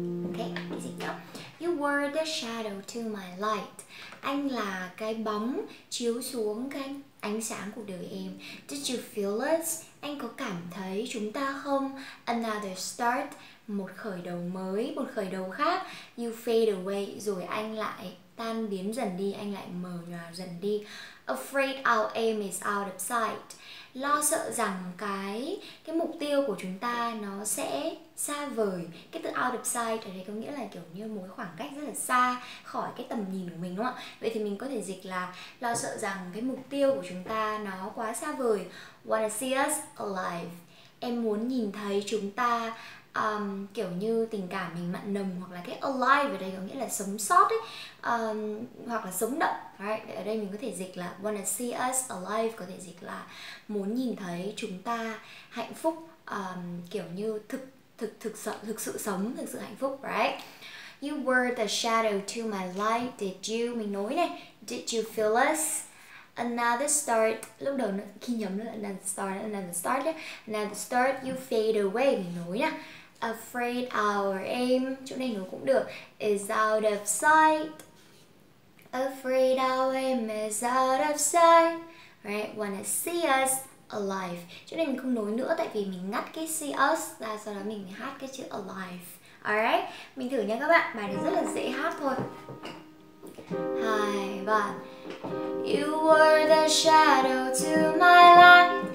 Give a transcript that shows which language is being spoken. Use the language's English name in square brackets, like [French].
[English] Okay, easy go. You were the shadow to my light. [Vietnamese] Anh là cái bóng chiếu xuống cái ánh sáng của đời em. [English] Did you feel us? [Vietnamese] Anh có cảm thấy chúng ta không? [English] Another start, [Vietnamese] một khởi đầu mới, một khởi đầu khác. [English] You fade away, [Vietnamese] rồi anh lại tan biến dần đi, anh lại mờ nhòa dần đi. [English] Afraid our aim is out of sight. [Vietnamese] Lo sợ rằng cái mục tiêu của chúng ta nó sẽ xa vời. Cái từ out of sight ở đây có nghĩa là kiểu như mối khoảng cách rất là xa khỏi cái tầm nhìn của mình, đúng không ạ? Vậy thì mình có thể dịch là lo sợ rằng cái mục tiêu của chúng ta nó quá xa vời. [English] Wanna see us alive. [Vietnamese] Em muốn nhìn thấy chúng ta kiểu như tình cảm mình mặn nồng, hoặc là cái alive ở đây có nghĩa là sống sót ấy, hoặc là sống động. [English] Right? [Vietnamese] Ở đây mình có thể dịch là [English] wanna see us alive, [Vietnamese] có thể dịch là muốn nhìn thấy chúng ta hạnh phúc, kiểu như thực sự sống, thực sự hạnh phúc. [English] Right? You were the shadow to my light. Did you, [Vietnamese] mình nói này, [English] did you feel us? Another start, [Vietnamese] lúc đầu nó khi nhầm là another start nhé. [English] Another start, you fade away, [Vietnamese] mình nói nhá. [English] Afraid our aim, [Vietnamese] chỗ này nó cũng được, [English] is out of sight. Afraid our aim is out of sight. Right, wanna see us alive. [Vietnamese] Chỗ này mình không nói nữa tại vì mình ngắt cái see us ra, sau đó mình hát cái chữ alive. Alright, mình thử nha các bạn, bài này rất là dễ hát thôi. 2, 3. [English] You were the shadow to my light.